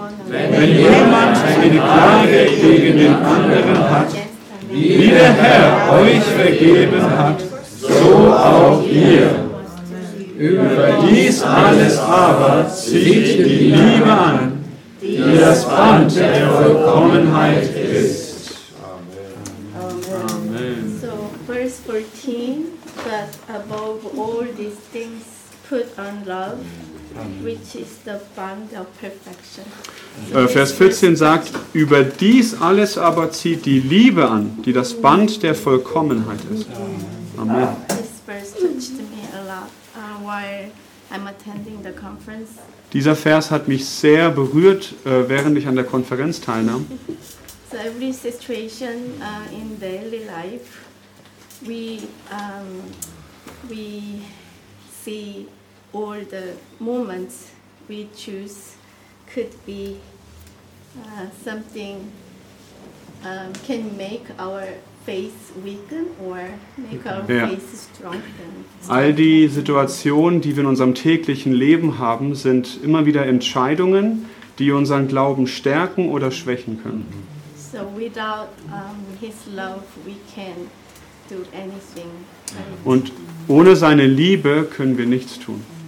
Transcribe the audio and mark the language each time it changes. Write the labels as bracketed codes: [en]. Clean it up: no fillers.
[de] Wenn jemand eine Klage gegen den anderen hat, wie der Herr euch vergeben hat, so auch ihr. Über dies alles aber zieht die Liebe an, die das Band der Vollkommenheit ist. [en] Amen. So, verse 14, but above all these things, put on love, which is the bond of perfection. [de] Vers 14 sagt, über dies alles aber zieht die Liebe an, die das Band der Vollkommenheit ist. [en] Amen. This verse touched me a lot while I'm attending the conference. [de] Dieser Vers hat mich sehr berührt, während ich an der Konferenz teilnahm. [en] So every situation in daily life, we see all the moments we choose could be something can make our faith weaken or make our faith strengthen. [de] All die Situationen, die wir in unserem täglichen Leben haben, sind immer wieder Entscheidungen, die unseren Glauben stärken oder schwächen können. [en] So without his love we can do anything. [de] Und ohne seine Liebe können wir nichts tun.